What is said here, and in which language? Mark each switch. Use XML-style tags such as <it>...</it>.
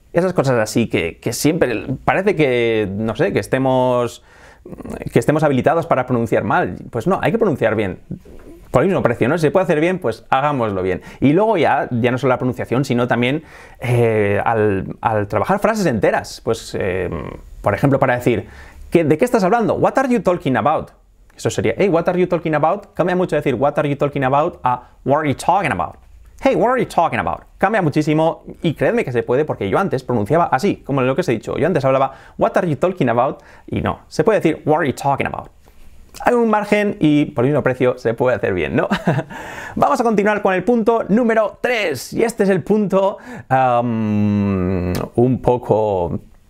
<es>Esas cosas así que siempre parece que, no sé, que estemos habilitados para pronunciar mal. Pues no, hay que pronunciar bien. Por el mismo precio, ¿no? Si se puede hacer bien, pues hagámoslo bien. Y luego ya no solo la pronunciación, sino también al trabajar frases enteras. Pues, por ejemplo, para decir, ¿de qué estás hablando?</es> <en>What are you talking about?</en> <es>Eso sería,</es> <en>hey, what are you talking about?</en> <es>Cambia mucho decir</es> <en>what are you talking about</en> <es>a</es> <en>what are you talking about. Hey, what are you talking about?</en> <es>Cambia muchísimo y creedme que se puede porque yo antes pronunciaba así, como lo que os he dicho. Yo antes hablaba,</es> <en>what are you talking about?</en> <es>Y no, se puede decir,</es> <en>what are you talking about?</en> <es>Hay un margen y por el mismo precio se puede hacer bien, ¿no? Vamos a continuar con el punto número 3. Y este es el punto un poco...</es>